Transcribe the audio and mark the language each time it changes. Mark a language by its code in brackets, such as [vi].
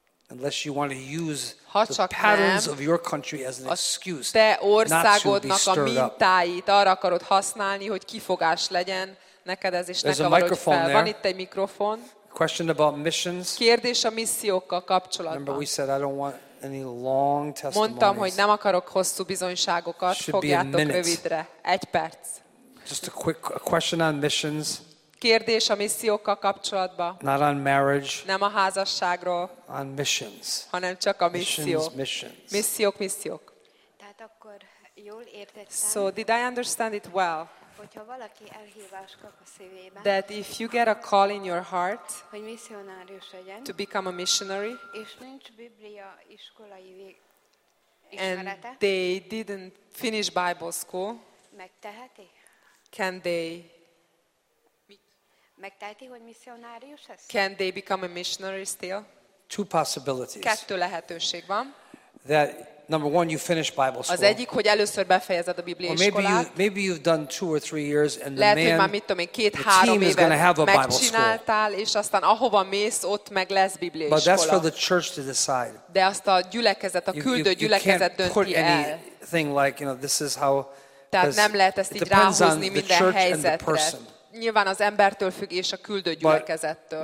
[en] Unless you want to use the patterns of your country as an excuse, [hu] te országodnak a mintáit arra akarod használni, hogy kifogás legyen, neked ez is nekem arról fel. There. Van itt egy mikrofon. [en] Question about missions. [hu] Kérdés a missziókkal kapcsolatban. [en] Remember we said I don't want any long testimonies. [hu] Mondtam, hogy nem akarok hosszú bizonyságokat. Fogjátok rövidre. Egy perc. [en] Just a question on missions. [hu] Kérdés a missziókkal kapcsolatban. [en] Not on marriage. [hu] Nem a házasságról. [en] On missions. [hu] Hanem csak a missziók. [en] Missions. [hu] Missziók, missziók. Tehát akkor jól értettem. [en] So did I understand it well? [hu] Hogyha valaki elhívás kap a szívében. [en] That if you get a call in your heart. [hu] Hogy missionárius legyen. [en] To become a missionary. [hu] És nincs Biblia iskolai [en] ismerete. They didn't finish Bible school. [hu] Megteheti? [en] Can they? [hu] Megteheti, hogy missionárius ez? [en] Can they become a missionary still? Two possibilities. [hu] Kettő lehetőség van. [en] That number one, you finish Bible school. [hu] Az egyik, hogy először befejezed a Biblia iskolát. [en] Maybe you've done two or three years and the [hu] lehet, [en] man. [hu] Lehet, hogy már mit tudom én, két-három évet megcsináltál, és aztán ahova mész, ott meg lesz Biblia iskola. [en] But that's for the church to decide. [hu] De azt a gyülekezet, a küldő gyülekezet dönti el. [en] You can't put anything like, you know, this is how. [hu] Tehát nem lehet ezt így ráhúzni minden helyzetre. Nyilván az embertől függ és a küldő gyülekezettől.